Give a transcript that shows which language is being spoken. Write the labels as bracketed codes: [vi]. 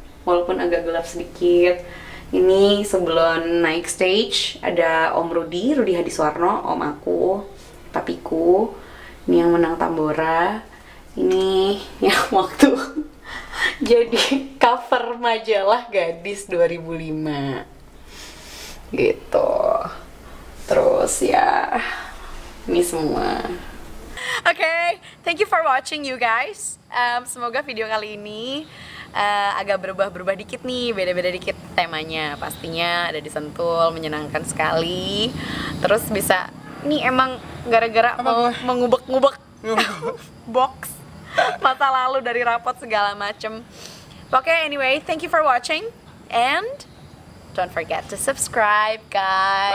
[id] Walaupun agak gelap sedikit. Ini sebelum naik stage ada Om Rudi Hadi Suwarno, om aku, papiku. Ini yang menang Tambora. Ini yang waktu jadi cover majalah Gadis 2005 gitu. Terus ya, ini semua. [en] Okay, thank you for watching you guys. [id] Semoga video kali ini agak berubah-berubah dikit nih, beda-beda dikit temanya. Pastinya ada disentul, menyenangkan sekali. Terus bisa, ini emang gara-gara mengubek-ngubek box masa lalu dari rapot segala macem. [en] Okay, anyway, thank you for watching. And don't forget to subscribe, guys.